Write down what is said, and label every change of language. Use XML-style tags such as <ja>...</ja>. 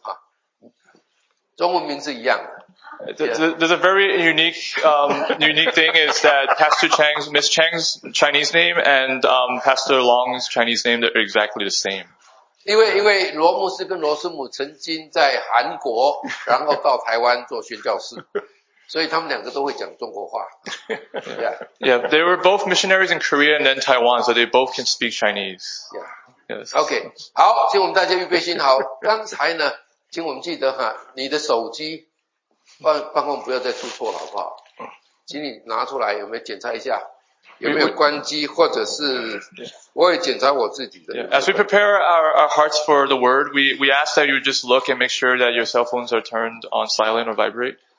<zh>啊，对对，名叫素贞，对不对？这个很有意思，很有意思哈。罗牧师，罗师母哈，跟我的师母哈，中文名字一样。</zh> <en>There's a very unique, unique thing is that Pastor Chang's, Miss Chang's Chinese name and, Pastor Long's Chinese name are exactly the same.</en> <zh>因为罗牧师跟罗师母曾经在韩国，然后到台湾做宣教士。所以他们两个都会讲中国话。</zh> <en>Yeah, they were both missionaries in Korea and then Taiwan, so they both can speak Chinese. Yeah. Yes. Okay.</en> <zh>好，请我们大家预备心好。刚才呢，请我们记得哈，你的手机。帮忙不要再出错了，好不好？请你拿出来，有没有检查一下，有没有关机，或者是我也检查我自己的。Yeah.</zh> <en>As we prepare our hearts for the word, we ask that you just look and make sure that your cell phones are turned on silent or vibrate.</en>